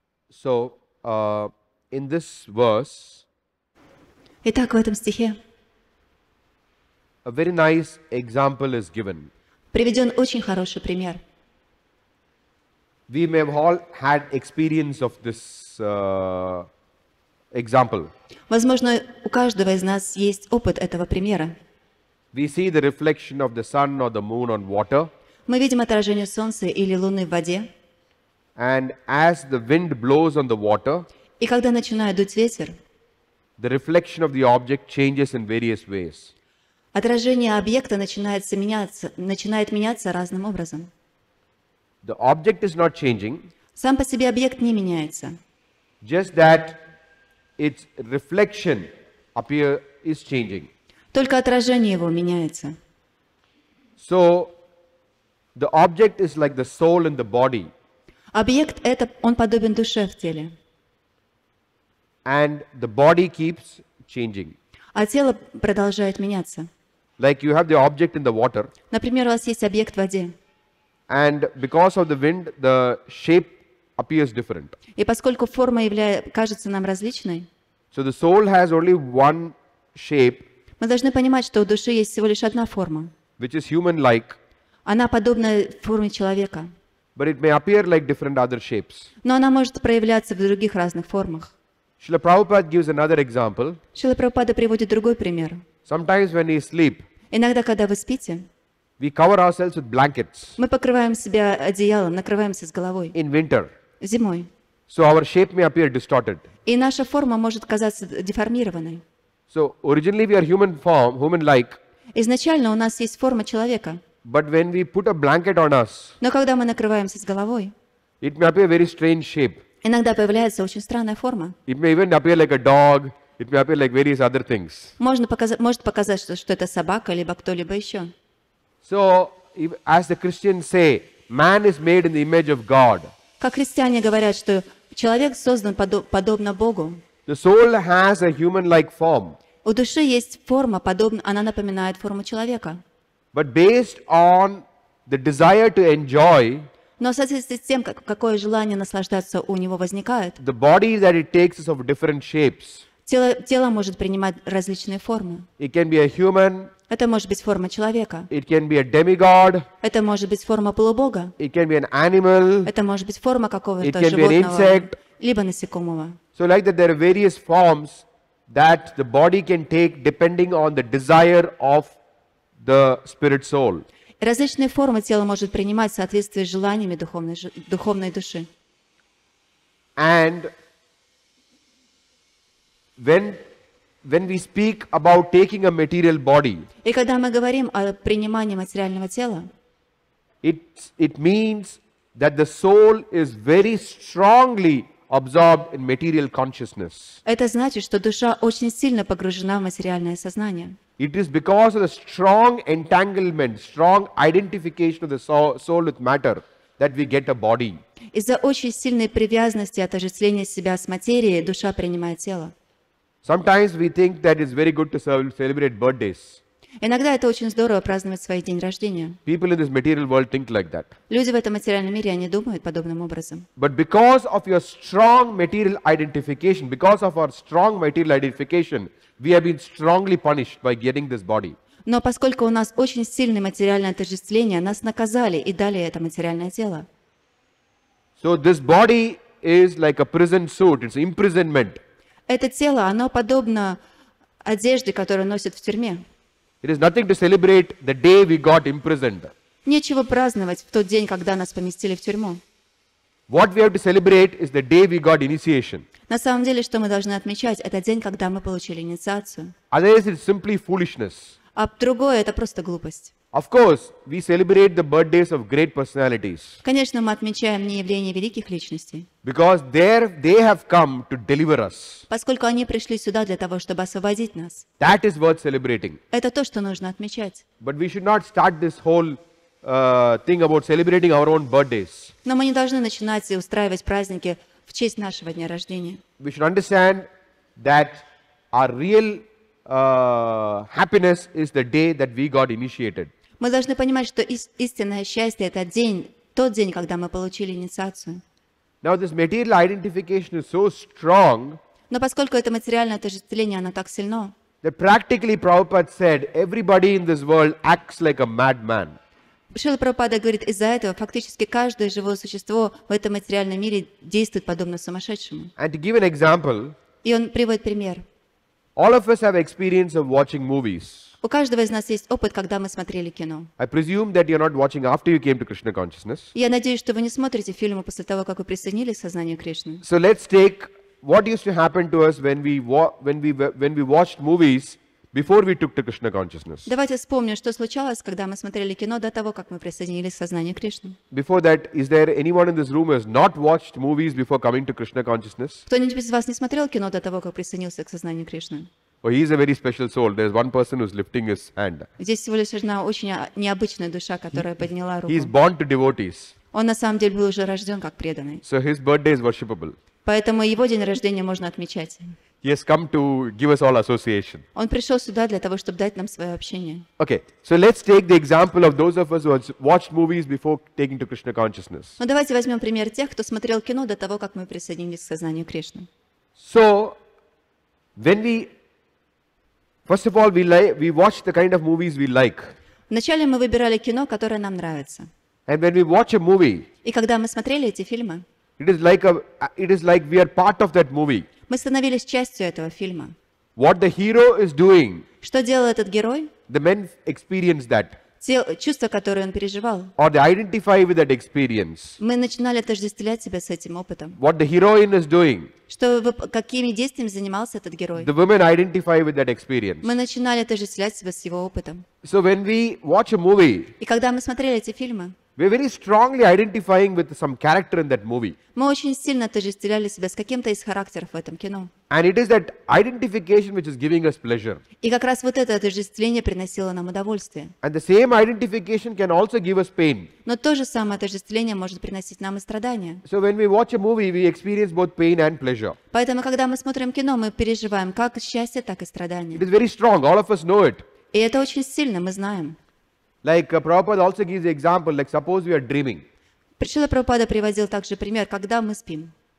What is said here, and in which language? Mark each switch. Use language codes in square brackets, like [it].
[en] So in this verse, [ru] итак, в этом стихе [en] a very nice example is given. [ru] Приведен очень хороший пример. [en] We may have all had experience of this example. [ru] Возможно, у каждого из нас есть опыт этого примера. [en] We see the reflection of the sun or the moon on water. [ru] Мы видим отражение солнца или луны в воде. [en] And as the wind blows on the water, [ru] и когда начинает дуть ветер, [en] the reflection of the object changes in various ways. [ru] Отражение объекта начинает меняться разным образом. [en] The object is not changing. [ru] Сам по себе объект не меняется. [en] Just that its reflection appear is changing. [ru] Только отражение его меняется. [en] So the object is like the soul in the body. [ru] Объект это он подобен душе в теле. [en] And the body keeps changing. [ru] А тело продолжает меняться. [en] Like you have the object in the water. [ru] Например, у вас есть объект в воде. [en] And because of the wind, the shape appears different. [ru] И поскольку форма кажется нам различной. [en] So the soul has only one shape. [ru] Мы должны понимать, что у души есть всего лишь одна форма. [en] Which is human-like. [ru] Она подобна форме человека. [en] But it may appear like different other shapes. [ru] Но она может проявляться в других разных формах. [en] Srila Prabhupada gives another example. [ru] Srila Prabhupada приводит другой пример. [en] Sometimes when we sleep, [ru] иногда, когда вы спите, [en] we cover ourselves with blankets. [ru] Мы покрываем себя одеялом, накрываемся с головой. [en] In winter. [ru] Зимой. [en] So our shape may appear distorted. [ru] И наша форма может казаться деформированной. [en] So originally we are human form, human-like. [ru] Изначально у нас есть форма человека. [en] But when we put a blanket on us, [ru] но когда мы накрываемся с головой, [en] it may appear very strange shape. [ru] Иногда появляется очень странная форма. [en] It may even appear like a dog. It may appear like various other things. [ru] Может показать, что это собака, либо кто-либо еще. [en] So, as the Christians say, man is made in the image of God. [ru] Как христиане говорят, что человек создан подобно Богу. [en] The soul has a human-like form. [ru] У души есть форма, она напоминает форму человека. [en] But based on the desire to enjoy, [ru] но в соответствии с тем, какое желание наслаждаться у него возникает, [en] the body that it takes is of different shapes. [ru] Тело может принимать различные формы. [en] It can be a human. [ru] Это может быть форма человека. [en] It can be a demigod. [ru] Это может быть форма полубога. [en] It can be an animal. [ru] Это может быть форма какого-то [en] it can [ru] животного, [en] be an insect. [ru] Либо насекомого. [en] So like that, there are various forms that the body can take depending on the desire of the spirit soul. [ru] Различные формы тела может принимать в соответствии с желаниями духовной души. [en] And when we speak about taking a material body, [ru] и когда мы говорим о принимании материального тела, [en] it means that the soul is very strongly absorbed in material consciousness. [ru] Это значит, что душа очень сильно погружена в материальное сознание. [en] It is because of the strong entanglement, strong identification of the soul with matter that we get a body. [ru] Из-за очень сильной привязанности, отождествления себя с материей, душа принимает тело. [en] Sometimes we think that it's very good to celebrate birthdays. [ru] Иногда это очень здорово праздновать свой день рождения. [en] People in this material world think like that. [ru] Люди в этом материальном мире, они думают подобным образом. [en] But because of your strong material identification, because of our strong material identification, we have been strongly punished by getting this body. [ru] Но поскольку у нас очень сильное материальное отождествление, нас наказали и дали это материальное тело. [en] So this body is like a prison suit. It's imprisonment. [ru] Это тело, оно подобно одежде, которую носят в тюрьме. [en] It is nothing to celebrate the day we got imprisoned. [ru] Нечего праздновать в тот день, когда нас поместили в тюрьму. [en] What we have to celebrate is the day we got initiation. [ru] На самом деле, что мы должны отмечать, это день, когда мы получили инициацию. [en] Otherwise, it's simply foolishness. [ru] А другое, это просто глупость. [en] Of course, we celebrate the birthdays of great personalities. [ru] Конечно, мы отмечаем не явление великих личностей. [en] Because they have come to deliver us. [ru] Поскольку они пришли сюда для того, чтобы освободить нас. [en] That is worth celebrating. [ru] Это то, что нужно отмечать. [en] But we should not start this whole thing about celebrating our own birthdays. [ru] Но мы не должны начинать и устраивать праздники в честь нашего дня рождения. [en] We should understand that our real happiness is the day that we got initiated. [ru] Мы должны понимать, что истинное счастье это день, тот день, когда мы получили инициацию. [en] Now this material identification is so strong. [ru] Но поскольку это материальное отождествление, оно так сильно. [en] That practically Prabhupada said, everybody in this world acts like a madman. [ru] Шрила Прабхупада говорит, из-за этого фактически каждое живое существо в этом материальном мире действует подобно сумасшедшему. [en] And to give an example. [ru] И он приводит пример. [en] All of us have experience of watching movies. [ru] У каждого из нас есть опыт, когда мы смотрели кино. [en] I presume that you're not watching after you came to Krishna consciousness. [ru] Я надеюсь, что вы не смотрите фильмы после того, как вы присоединились к сознанию Кришны. [en] So let's take what used to happen to us when we watched movies before we took to Krishna consciousness. [ru] Давайте вспомним, что случалось, когда мы смотрели кино до того, как мы присоединились к сознанию Кришны. [en] Before that, is there anyone in this room who has not watched movies before coming to Krishna consciousness? [ru] Кто-нибудь из вас не смотрел кино до того, как присоединился к сознанию Кришны? [en] Oh, he is a very special soul. There is one person who is lifting his hand. [ru] Здесь всего лишь одна очень необычная душа, которая подняла руку. [en] He is born to devotees. [ru] Он на самом деле был уже рожден как преданный. [en] So his birthday is worshipable. [ru] Поэтому его день рождения можно отмечать. [en] He has come to give us all association. [ru] Он пришел сюда для того, чтобы дать нам свое общение. [en] Okay, so let's take the example of those of us who watched movies before taking to Krishna consciousness. [ru] Ну давайте возьмем пример тех, кто смотрел кино до того, как мы присоединились к сознанию Кришны. [en] So when we, first of all, we watch the kind of movies we like. [ru] Вначале мы выбирали кино, которое нам нравится. [en] And when we watch a movie. [ru] И когда мы смотрели эти фильмы. [en] It is like we are part of that movie. [ru] Мы становились частью этого фильма. [en] What the hero is doing, [ru] что делал этот герой? [en] The men experience that. [ru] Те чувства, которые он переживал. [en] Or they identify with that experience. [ru] Мы начинали отождествлять себя с этим опытом. [en] What the heroine is doing, [ru] что, какими действиями занимался этот герой? [en] The women identify with that experience. [ru] Мы начинали отождествлять себя с его опытом. [en] So when we watch a movie, [ru] и когда мы смотрели эти фильмы, [en] we're very strongly identifying with some character in that movie. [ru] Мы очень сильно отождествляли себя с каким-то из характеров в этом кино. [en] And it is that identification which is giving us pleasure. [ru] И как раз вот это отождествление приносило нам удовольствие. [en] And the same identification can also give us pain. [ru] Но то же самое отождествление может приносить нам и страдания. [en] So when we watch a movie, we experience both pain and pleasure. [ru] Поэтому, когда мы смотрим кино, мы переживаем как счастье, так и страдания. [en] It is very strong. All of us know it. [ru] И это очень сильно, мы знаем. [en] Like Prabhupada also gives the example, like suppose we are dreaming. [ru] Шрила Прабхупада приводил также пример, когда мы спим.